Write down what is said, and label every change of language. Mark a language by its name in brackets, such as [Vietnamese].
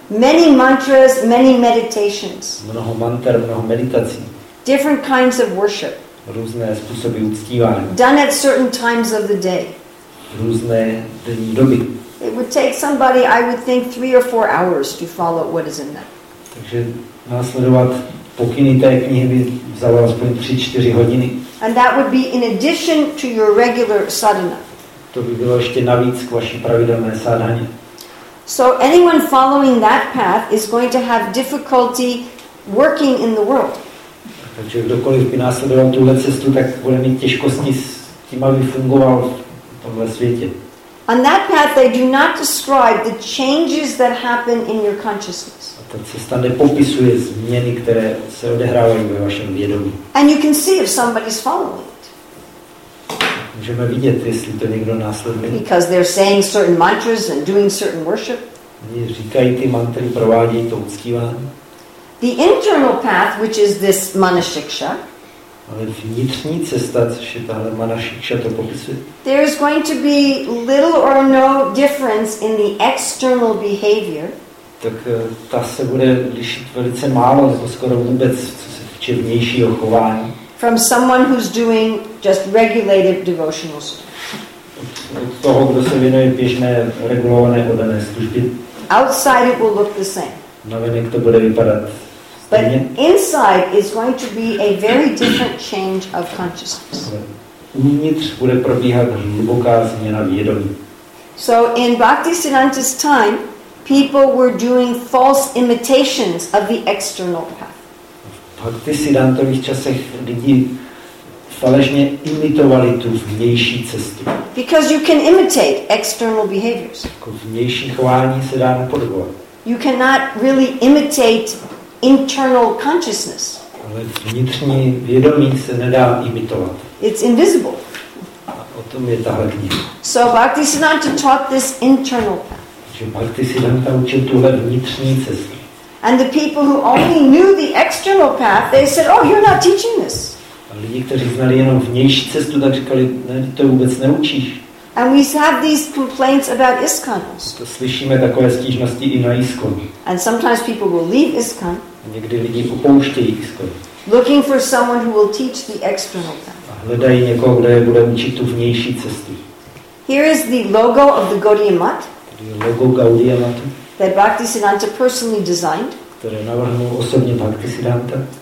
[English] Many mantras, many meditations. [Czech] Mnoho mantr, mnoho meditací. [English] Different kinds of worship. [Czech] Různé způsoby uctívání. [English] Done at certain times of the day. [Czech] Různé dny doby. [English] It would take somebody, I would think, 3 or 4 hours to follow what is in that. [Czech] Takže následovat pokyny té knihy by vzalo aspoň 3-4 hodiny. [English] And that would be in addition to your regular sadhana. [Czech] To by bylo ještě navíc k vaší pravidelné sadhaně. [English] So anyone following that path is going to have difficulty working in the world. [Czech] Takže kdokoliv by následoval tuhle cestu, tak bude mít těžkosti s tím, aby fungoval v tomhle světě. [English] On that path they do not describe the changes that happen in your consciousness. [Czech] A ta cesta nepopisuje změny, které se odehrávají ve vašem vědomí. [English] And you can see if somebody's following it. [Czech] Můžeme vidět, jestli to někdo následuje. [English] Because they're saying certain mantras and doing certain worship. [Czech] Oni říkají ty mantry, provádějí to uctívání. [English] The internal path, which is this manashiksha. [Czech] Ale vnitřní cesta, což je tahle manashiksha, to popisuje. [English] There is going to be little or no difference in the external behavior. [Czech] Tak ta se bude lišit velice málo, nebo skoro vůbec, co se týče vnějšího chování. [English] From someone who's doing just regulated devotional [Czech] od toho, kdo se věnuje běžné regulované oddané služby. [English] Outside it will look the same. [Czech] Navenek to bude vypadat stejně. [English] But inside is going to be a very different change of consciousness. [Czech] Uvnitř bude probíhat hluboká změna vědomí. [English] So in Bhaktisiddhanta's time, people were doing false imitations of the external path. [Czech] V Bhaktisiddhantových časech lidi falešně imitovali tu vnější cestu. [English] Because you can imitate external behaviors. [Czech] Jako vnější chování se dá napodobovat. [English] You cannot really imitate internal consciousness. [Czech] Ale vnitřní vědomí se nedá imitovat. [English] It's invisible. [Czech] A o tom je tahle kniha. [English] So Bhaktisiddhanta taught this internal path. [Czech] Že Bhaktisiddhanta učil tuhle vnitřní cestu. [English] And the people who only knew the external path, they said, oh, you're not teaching this. [Czech] A lidi, kteří znali jenom vnější cestu, tak říkali, ne, to vůbec neučíš. [English] And we have these complaints about ISKCON. [Czech] To slyšíme takové stížnosti i na ISKCON. [English] And sometimes people will leave ISKCON. [Czech] Někdy lidi opouštějí ISKCON. [English] Looking for someone who will teach the external path. [Czech] A hledají někoho, kdo je bude učit tu vnější cestu. [English] Here is the logo of the Gaudiya Mat. [Czech] Tady je logo Gaudiya Matu. [English] That Bhaktisiddhanta personally designed. [Czech] Které navrhnul osobně Bhaktisiddhanta.